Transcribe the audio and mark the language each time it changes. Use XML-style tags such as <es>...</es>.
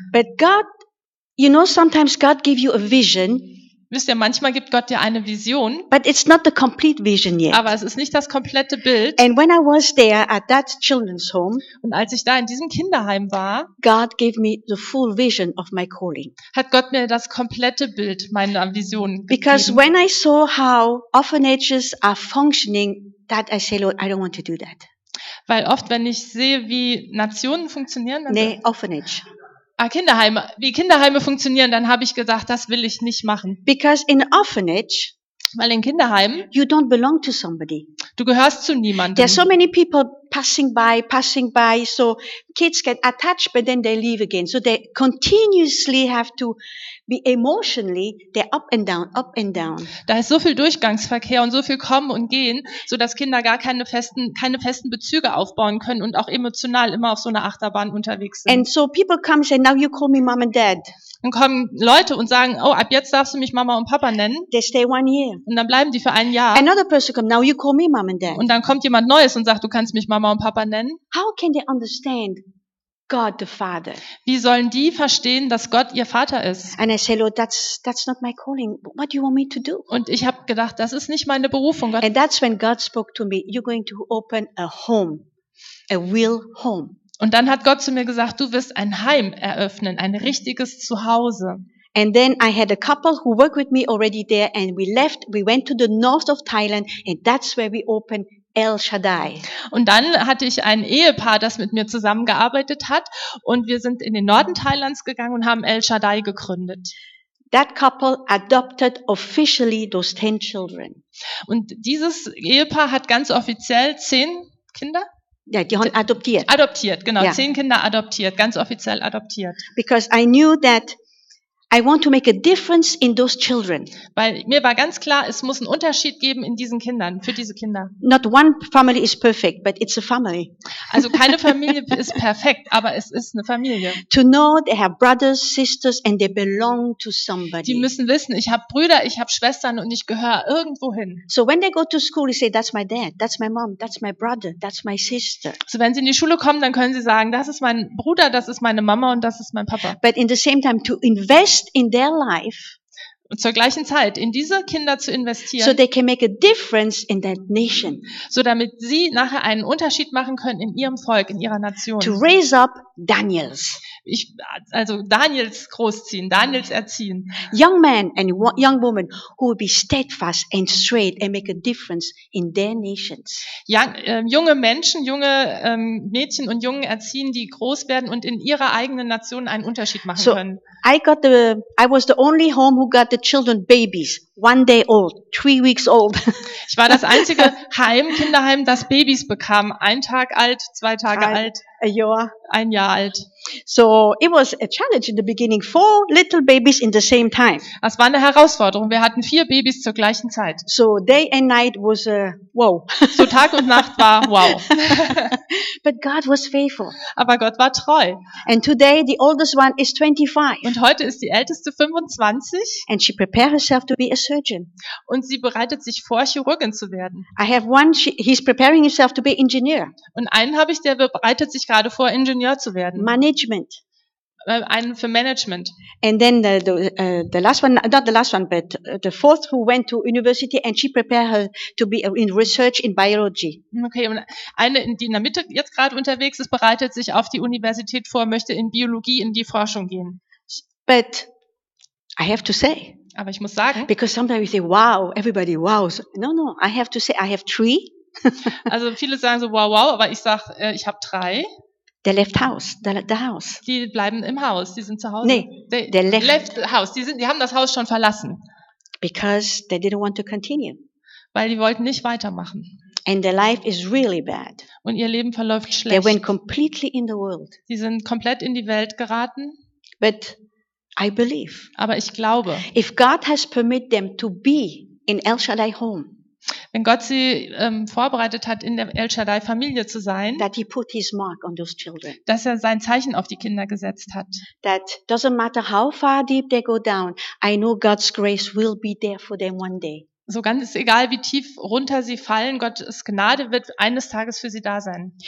<en>But God, sometimes God give you a vision.</en> <de>Wisst ihr, manchmal gibt Gott dir eine Vision.</de> <en>But it's not the complete vision yet.</en> <de>Aber es ist nicht das komplette Bild.</de> <en>And when I was there at that children's home,</en> <de>und als ich da in diesem Kinderheim war,</de> <en>God gave me the full vision of my calling.</en> <de>Hat Gott mir das komplette Bild meiner Vision gegeben.</de> <en>Because when I saw how orphanages are functioning, that I say, Lord, I don't want to do that.</en> <de>Weil oft, wenn ich sehe, wie Nationen funktionieren,</de> <en>nee, orphanage.</en> <de>Kinderheime, wie Kinderheime funktionieren, dann habe ich gesagt, das will ich nicht machen.</de> <en>Because in orphanage,</en> <de>weil in Kinderheimen,</de> <en>you don't belong to somebody.</en> <de>Du gehörst zu niemandem.</de> <en>There are so many people passing by, so kids get attached, but then they leave again. So they continuously have to be emotionally, they're up and down, up and down.</en> <de>Da ist so viel Durchgangsverkehr und so viel Kommen und Gehen, so dass Kinder gar keine festen Bezüge aufbauen können und auch emotional immer auf so einer Achterbahn unterwegs sind.</de> <en>And so people come and say, now you call me mom and dad.</en> <de>Und kommen Leute und sagen, oh, ab jetzt darfst du mich Mama und Papa nennen.</de> <en>They stay 1 year.</en> <de>Und dann bleiben die für ein Jahr.</de> <en>Another person comes, now you call me mom and dad.</en> <de>Und dann kommt jemand Neues und sagt, du kannst mich Mama und Papa nennen.</de> <en>How can they understand God the Father?</en> <de>Wie sollen die verstehen, dass Gott ihr Vater ist?</de> <en>And I say, Lord, that's not my calling. What do you want me to do?</en> <de>Und ich habe gedacht, das ist nicht meine Berufung.</de> <en>Gott. And that's when God spoke to me. You're going to open a home, a real home.</en> <de>Und dann hat Gott zu mir gesagt, du wirst ein Heim eröffnen, ein richtiges Zuhause.</de> <en>And then I had a couple who worked with me already there, and we left. We went to the north of Thailand, and that's where we opened El Shaddai.</en> <de>Und dann hatte ich ein Ehepaar, das mit mir zusammengearbeitet hat, und wir sind in den Norden Thailands gegangen und haben El Shaddai gegründet.</de> <en>That couple adopted officially those 10 children.</en> <de>Und dieses Ehepaar hat ganz offiziell 10 Kinder. Ja, die haben adoptiert. Adoptiert, genau. Ja. 10 Kinder adoptiert, ganz offiziell adoptiert.</de> <en>Because I knew that I want to make a difference in those children.</en> <de>Weil mir war ganz klar, es muss einen Unterschied geben in diesen Kindern, für diese Kinder.</de> <en>Not one family is perfect, but it's a family.</en> <de>Also keine Familie ist perfekt, aber es ist eine Familie.</de> <en>To know they have brothers, sisters and they belong to somebody.</en> <de>Die müssen wissen, ich habe Brüder, ich habe Schwestern und ich gehöre irgendwohin.</de> <en>So when they go to school, they say that's my dad, that's my mom, that's my brother, that's my sister.</en> <de>So wenn sie in die Schule kommen, dann können sie sagen, das ist mein Bruder, das ist meine Mama und das ist mein Papa.</de> <en>But in the same time to invest in their life,</en> <de>und zur gleichen Zeit in diese Kinder zu investieren,</de> <en>so they can make a difference in that nation,</en> <de>so damit sie nachher einen Unterschied machen können in ihrem Volk, in ihrer Nation.</de> <en>To raise up Daniels,</en> <de>also Daniels großziehen, Daniels erziehen.</de> <en>Young man and young woman who will be steadfast and straight and make a difference in their nations.</en> <de>Junge Mädchen und Jungen erziehen, die groß werden und in ihrer eigenen Nation einen Unterschied machen können.</de> <en>I was the only home who got the children babies, 1 day old, 3 weeks old.</en> <de>Ich war das einzige Kinderheim, das Babys bekam, 1 Tag alt, 2 Tage alt, ein Jahr alt.</de> <en>So it was a challenge in the beginning, 4 little babies in the same time.</en> <de>Das war eine Herausforderung. Wir hatten 4 Babys zur gleichen Zeit.</de> <en>So day and night was a wow.</en> <de>So Tag und Nacht war wow.</de> <en>But God was faithful.</en> <de>Aber Gott war treu.</de> <en>And today the oldest one is 25.</en> <de>Und heute ist die älteste 25.</de> <en>And she prepares herself to be a surgeon.</en> <de>Und sie bereitet sich vor, Chirurgin zu werden.</de> <en>I have one, he's preparing himself to be engineer.</en> <de>Und einen habe ich, der bereitet sich gerade vor, Ingenieur zu werden.</de> <en>Management.</en> <de>Einen für Management.</de> <en>And then the last one, not the last one, but the fourth who went to university and she prepared her to be in research in biology.</en> <de>Okay, und eine, die in der Mitte jetzt gerade unterwegs ist, bereitet sich auf die Universität vor, möchte in Biologie, in die Forschung gehen.</de> <en>But I have to say.</en> <de>Aber ich muss sagen.</de> <en>Because sometimes we say, wow, everybody, wow. So, no, no, I have to say, I have 3.</en> <de>Also viele sagen so, wow, wow, aber ich sage, ich habe 3.</de> <en>They left house, the house.</en> <de>Die bleiben im Haus, die sind zu Hause. Nee,</de> <en>they left house,</en> <de>die haben das Haus schon verlassen.</de> <en>Because they didn't want to continue.</en> <de>Weil die wollten nicht weitermachen.</de> <en>And their life is really bad.</en> <de>Und ihr Leben verläuft schlecht.</de> <en>They went completely in the world.</en> <de>Die sind komplett in die Welt geraten.</de> <en>But I believe.</en> <de>Aber ich glaube.</de> <en>If God has permitted them to be in El Shaddai home.</en> <de>Wenn Gott sie vorbereitet hat, in der El Shaddai Familie zu sein,</de> <en>that he put his mark on those children.</en> <de>Dass er sein Zeichen auf die Kinder gesetzt hat.</de> <en>That doesn't matter how far deep they go down, I know God's grace will be there for them one day.</en> <de>So ganz ist egal, wie tief runter sie fallen, Gottes Gnade wird eines Tages für sie da sein.</de>